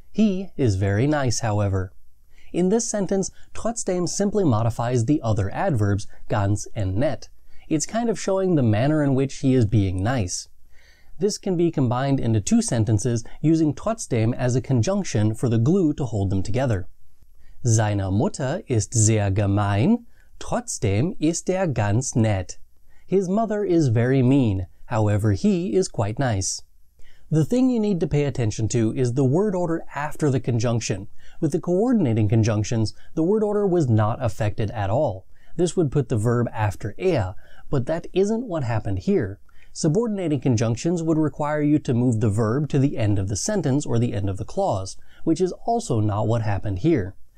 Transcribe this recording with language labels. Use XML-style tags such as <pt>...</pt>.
<en>He is very nice, however. In this sentence, trotzdem simply modifies the other adverbs, ganz and nett. It's kind of showing the manner in which he is being nice. This can be combined into two sentences using trotzdem as a conjunction for the glue to hold them together.</en> <de>Seine Mutter ist sehr gemein, trotzdem ist ganz nett.</de> <en>His mother is very mean, however he is quite nice. The thing you need to pay attention to is the word order after the conjunction. With the coordinating conjunctions, the word order was not affected at all. This would put the verb after er, but that isn't what happened here. Subordinating conjunctions would require you to move the verb to the end of the sentence or the end of the clause, which is also not what happened here.</en>